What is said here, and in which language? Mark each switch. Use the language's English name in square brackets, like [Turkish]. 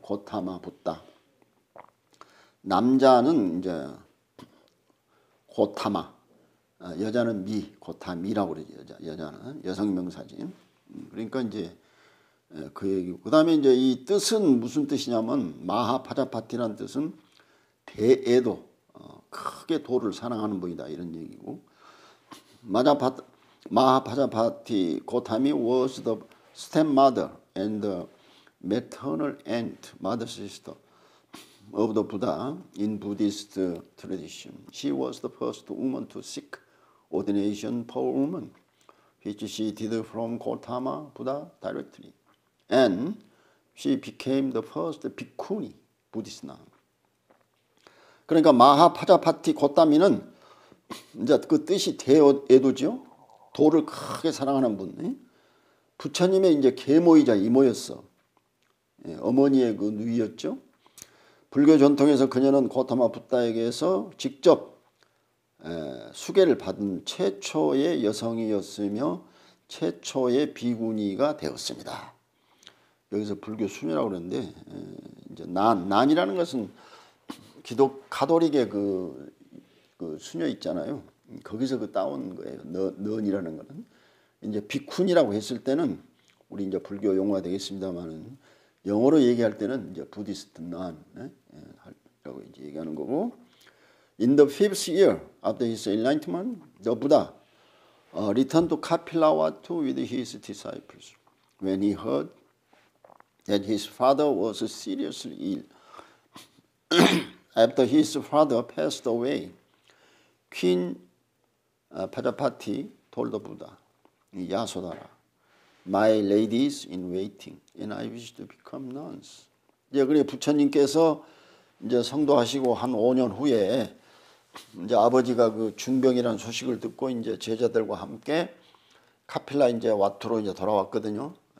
[Korean] 고타마 붓다. 남자는 이제 고타마, 여자는 미, 고타미라고 그래요. 여자는 여성 명사지. 그러니까 이제 그 얘기. 그다음에 이제 이 뜻은 무슨 뜻이냐면, 마하 파자파티라는 뜻은 대애도, 크게 도를 사랑하는 분이다, 이런 얘기고. 마하 파자파티 고타미 [English] was the stepmother and the maternal aunt, mother sister of the Buddha in Buddhist tradition. She was the first woman to seek ordination for a woman, which she did from Gautama Buddha directly. And she became the first bhikkhuni, Buddhist nun. [Korean] 그러니까 마하 파자파티 고타미는 이제 그 뜻이 대애도죠. 도를 크게 사랑하는 분. 부처님의 이제 계모이자 이모였어. 어머니의 그 누이였죠. 불교 전통에서 그녀는 고타마 부다에게서 직접 수계를 받은 최초의 여성이었으며 최초의 비구니가 되었습니다. 여기서 불교 순위라고 그러는데 이제 난이라는 것은 기독 가톨릭의 그 수녀 있잖아요. 거기서 그 따온 거예요. 넌이라는 거는 이제 비쿤이라고 했을 때는 우리 이제 불교 용어가 되겠습니다만은 영어로 얘기할 때는 이제 부디스트 난이라고 이제 얘기하는 거고. [English] In the fifth year after his enlightenment, the Buddha returned to Kapilavastu with his disciples. When he heard that his father was seriously ill, after his father passed away, Queen Prajapati told the Buddha, Yasodhara, my lady is in waiting, and I wish to become nuns. [Korean] 이제 그래 부처님께서 이제 성도하시고 한 5년 후에 이제 아버지가 그 중병이라는 소식을 듣고 이제 제자들과 함께 카필라 이제 와투로 이제 돌아왔거든요.